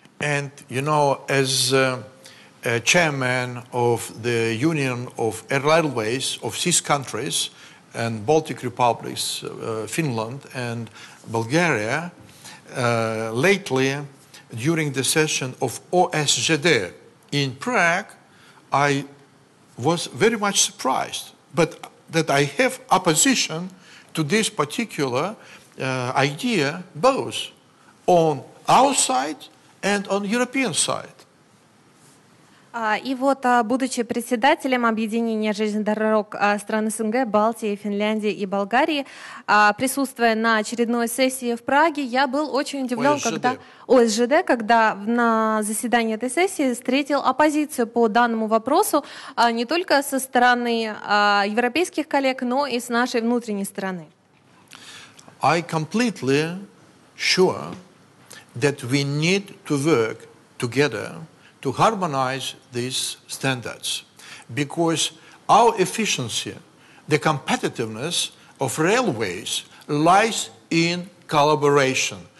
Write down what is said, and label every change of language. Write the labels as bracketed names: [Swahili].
[English] And, you know, as chairman of the Union of Air Railways of six countries and Baltic Republics, Finland and Bulgaria, lately during the session of OSJD in Prague, I was very much surprised but that I have opposition to this particular idea both on our side and on European side. [Russian] И вот, будучи председателем объединения железных дорог стран СНГ, Балтии, Финляндии и Болгарии, присутствуя на очередной сессии в Праге, я был очень удивлен, когда ОСЖД, когда на заседании этой сессии встретил оппозицию по данному вопросу не только со стороны европейских коллег, но и с нашей внутренней стороны. [English] I completely sure that we need to work together to harmonize these standards, because our efficiency, the competitiveness of railways lies in collaboration.